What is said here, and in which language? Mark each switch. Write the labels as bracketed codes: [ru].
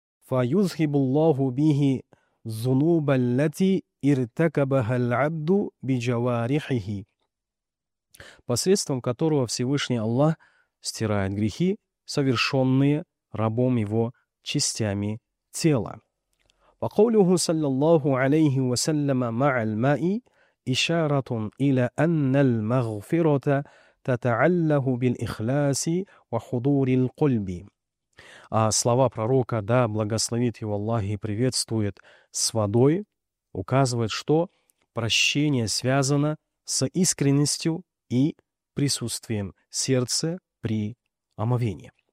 [ar] فَيُزْهِبُ اللَّهُ بِهِ الزُّنُوبَ الَّتِي إِرْتَكَبَهَا الْعَبْدُ بِجَوَارِحِهِ. [ru] посредством которого Всевышний Аллах стирает грехи, совершенные рабом его частями тела. [ar] وقوله صلى الله عليه وسلم مع الماء إشارة إلى أن المغفرة تتعلق بالإخلاص وحضور القلب. [ru] А слова пророка «Да, благословит его Аллах и приветствует с водой» указывают, что прощение связано с искренностью и присутствием сердца при омовении.